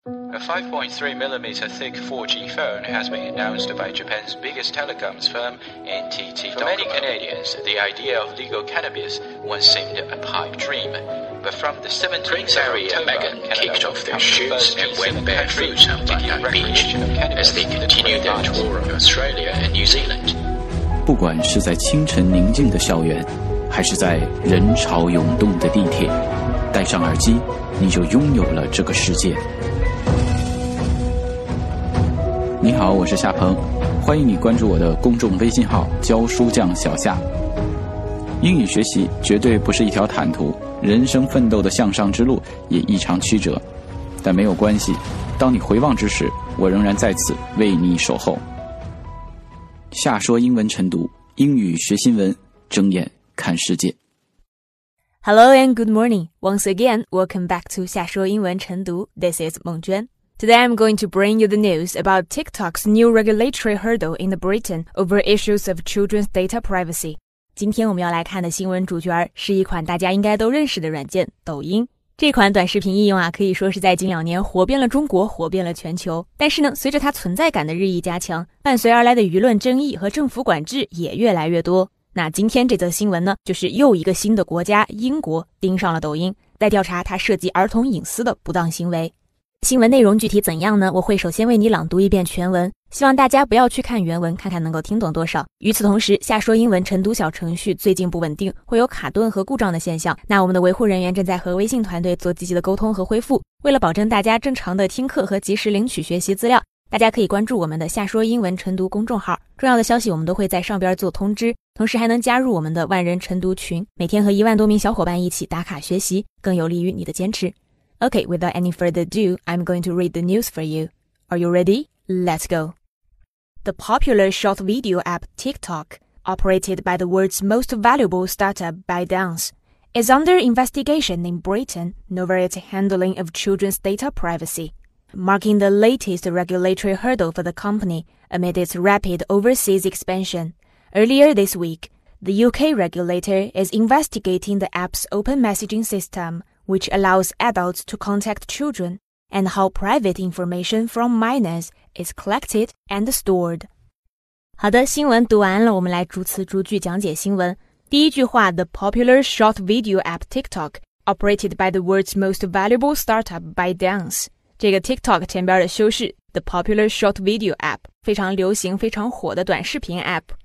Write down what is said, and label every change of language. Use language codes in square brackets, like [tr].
[en] A 5.3mm thick 4G phone has been announced by Japan's biggest telecoms firm, NTT Docomo. For many Canadians, the idea of legal cannabis once seemed a pipe dream. But from the 17th of October, Canada kicked off their shoots and went barefoot on Bondi Beach as they continued their tour of Australia and New Zealand. [zh] 不管是在清晨宁静的校园，还是在人潮涌动的地铁，戴上耳机，你就拥有了这个世界。你好，我是夏鹏，欢迎你关注我的公众微信号教书匠小夏。英语学习绝对不是一条坦途，人生奋斗的向上之路也异常曲折，但没有关系，当你回望之时，我仍然在此为你守候。夏说英文晨读，英语学新闻，睁眼看世界。 [en] Hello and good morning. Once again, welcome back to 夏说英文晨读。 This is 孟娟。 Today I'm going to bring you the news about TikTok's new regulatory hurdle in Britain over issues of children's data privacy. [zh] 今天我们要来看的新闻主角是一款大家应该都认识的软件，抖音。这款短视频应用啊，可以说是在近两年火遍了中国，火遍了全球。但是呢，随着它存在感的日益加强，伴随而来的舆论争议和政府管制也越来越多。那今天这则新闻呢，就是又一个新的国家英国盯上了抖音，在调查它涉及儿童隐私的不当行为。新闻内容具体怎样呢？我会首先为你朗读一遍全文，希望大家不要去看原文，看看能够听懂多少。与此同时，夏说英文晨读小程序最近不稳定，会有卡顿和故障的现象，那我们的维护人员正在和微信团队做积极的沟通和恢复。为了保证大家正常的听课和及时领取学习资料，大家可以关注我们的夏说英文晨读公众号，重要的消息我们都会在上边做通知，同时还能加入我们的万人晨读群，每天和一万多名小伙伴一起打卡学习，更有利于你的坚持。 [en] Okay, without any further ado, I'm going to read the news for you. Are you ready? Let's go. The popular short video app TikTok, operated by the world's most valuable startup ByteDance, is under investigation in Britain over its handling of children's data privacy, marking the latest regulatory hurdle for the company amid its rapid overseas expansion. Earlier this week, the UK regulator is investigating the app's open messaging system,which allows adults to contact children, and how private information from minors is collected and stored. [zh] 好的，新闻读完了，我们来逐词逐句讲解新闻。第一句话 [en] ,The popular short video app TikTok, operated by the world's most valuable startup ByteDance. [zh] 这个 TikTok 前边的修饰 , [en] The popular short video app, [zh] 非常流行非常火的短视频 app。